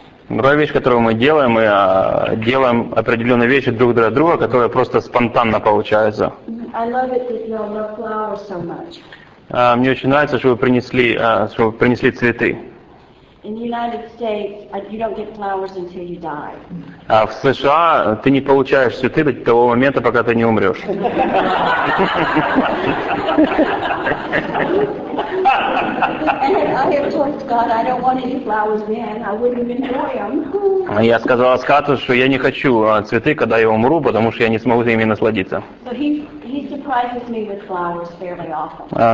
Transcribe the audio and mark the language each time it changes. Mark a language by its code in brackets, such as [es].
[ru] Другая вещь, которую мы делаем, мы делаем определенные вещи друг для друга, которые просто спонтанно получаются. [en] I love it that you all love flowers so much. [ru] Мне очень нравится, что вы принесли, цветы. [en] In the United States, you don't get flowers until you die. [ru] А в США ты не получаешь цветы до того момента, пока ты не умрёшь. [en] And I have told Scott I don't want any flowers then. I wouldn't enjoy them. [ru] Я сказала Скотту, что я не хочу цветы, когда я умру, потому что я не смогу ими насладиться. [en] So he surprises me with flowers fairly often.